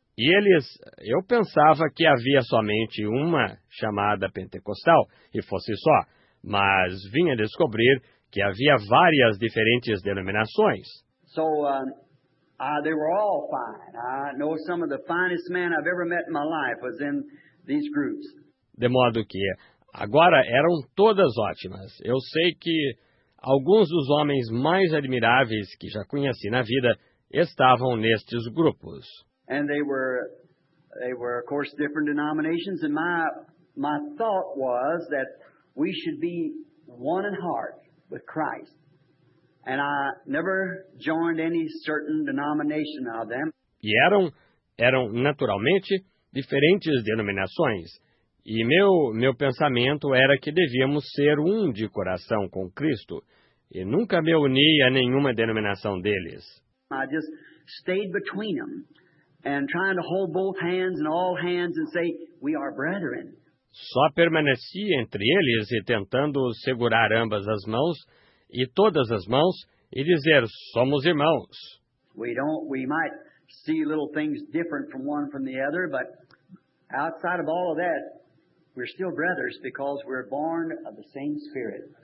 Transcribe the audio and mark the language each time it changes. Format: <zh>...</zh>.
<pt>E eles, eu pensava que havia somente uma chamada Pentecostal, e fosse só. Mas vim a descobrir que havia várias diferentes denominações.</pt> <en>So, they were all fine. I know some of the finest men I've ever met in my life was in these groups.</en> <pt>De modo que, agora eram todas ótimas. Eu sei que alguns dos homens mais admiráveis que já conheci na vida estavam nestes grupos.</pt> <en>And they were of course, different denominations. And my thought was that we should be one in heart with Christ. And I never joined any certain denomination of them.</en> <pt>E eram naturalmente diferentes denominações. E meu pensamento era que devíamos ser um de coração com Cristo. E nunca me uni a nenhuma denominação deles.</pt> <en>I just stayed between them and trying to hold both hands and all hands and say, we are brethren.</en> <pt>Só permaneci entre eles e tentando segurar ambas as mãos e todas as mãos, e dizer, somos irmãos.</pt> <en>We might see little things different from one from the other, but outside of all of that, we're still brothers because we're born of the same Spirit.</en>